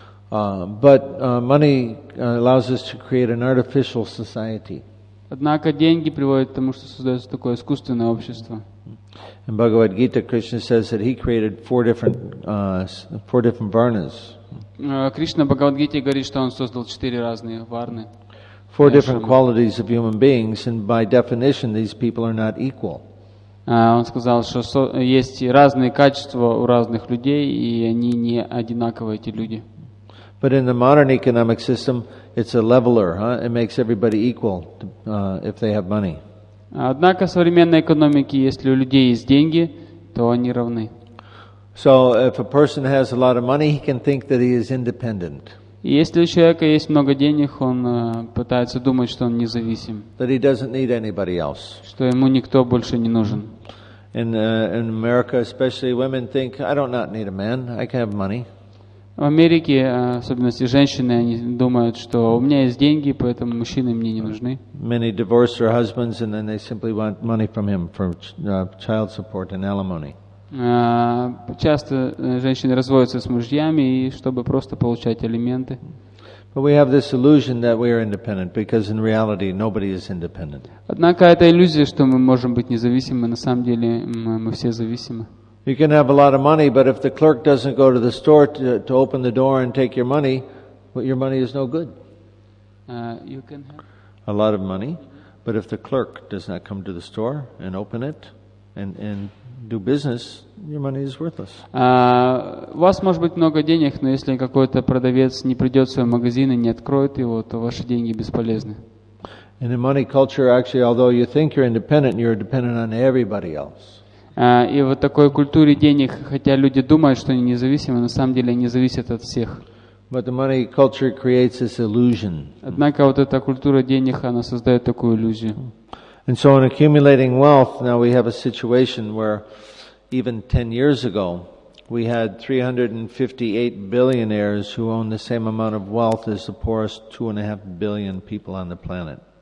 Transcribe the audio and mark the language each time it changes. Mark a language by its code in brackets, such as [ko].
[en] But money allows us to create an artificial society. [ru] Однако деньги приводят к тому, что создается такое искусственное общество. [en] In Bhagavad Gita, Krishna says that he created four different varnas. [ru] Кришна в Бхагавад Гите говорит, что он создал четыре разные варны. [en] Four different qualities of human beings, and by definition, these people are not equal. [ru] Он сказал, что есть разные качества у разных людей, и они не одинаковые эти люди. [en] But in the modern economic system, it's a leveler, huh? It makes everybody equal if they have money. [ru] Однако в современной экономике, если у людей есть деньги, то они равны. [en] So if a person has a lot of money, he can think that he is independent. [ru] Если у человека есть много денег, он пытается думать, что он независим. [en] That he doesn't need anybody else. [ru] Что ему никто больше не нужен. [en] In America, especially women think, I don't not need a man. I can have money. [ru] В Америке, особенно если женщины, они думают, что у меня есть деньги, поэтому мужчины мне не нужны. [en] Many divorce their husbands and then they simply want money from him for child support and alimony. [ru] Часто женщины разводятся с мужьями, чтобы просто получать алименты. [en] But we have this illusion that we are independent, because in reality nobody is independent. [ru] Однако это иллюзия, что мы можем быть независимы, на самом деле мы все зависимы. [en] You can have a lot of money, but if the clerk doesn't go to the store to open the door and take your money, well, your money is no good. You can have a lot of money, but if the clerk does not come to the store and open it and do business, your money is worthless. [ru] У вас может быть много денег, но если какой-то продавец не придет в свой магазин и не откроет его, то ваши деньги бесполезны. [en] In the money culture, actually, although you think you're independent, you're dependent on everybody else. [ru] И вот такой культуре денег, хотя люди думают, что они независимы, на самом деле они зависят от всех. [en] But the money culture creates this illusion. [ru] Однако вот эта культура денег, она создает такую иллюзию. [en] And so in accumulating wealth, now we have a situation where even 10 years ago, we had 358 billionaires who owned the same amount of wealth as the poorest 2.5 billion people on the planet.